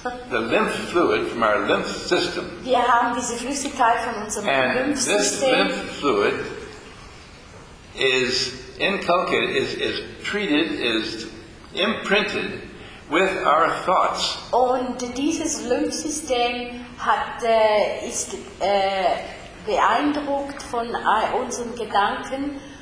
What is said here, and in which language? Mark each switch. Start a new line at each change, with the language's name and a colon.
English: The lymph fluid from our lymph system.
German: Wir haben diese Flüssigkeit von unserem Lymphsystem.
English: This lymph fluid is inculcated, is treated, is imprinted with our thoughts.
German: Und dieses Lymphsystem hat ist beeindruckt von unseren Gedanken.